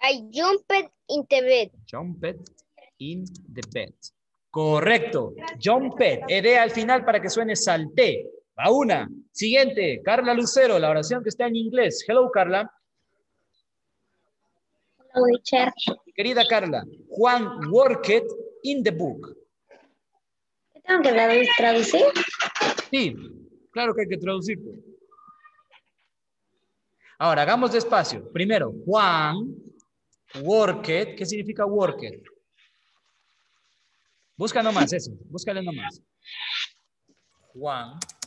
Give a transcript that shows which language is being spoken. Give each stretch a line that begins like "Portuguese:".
English: Jumped in the bed. Jumped in the bed. Correcto. Jumped.
Spanish: Ede al final para que suene salté. A una. Siguiente, Carla Lucero, la oración que está en inglés.
English: Hello, Carla.
Spanish: Querida Carla,
English: Juan worked in the book.
Spanish: ¿Tengo que traducir? Sí, claro que hay que traducir. Ahora, hagamos despacio. Primero,
English: Juan worked.
Spanish: ¿Qué significa worked? Busca nomás eso, búscale nomás. Juan.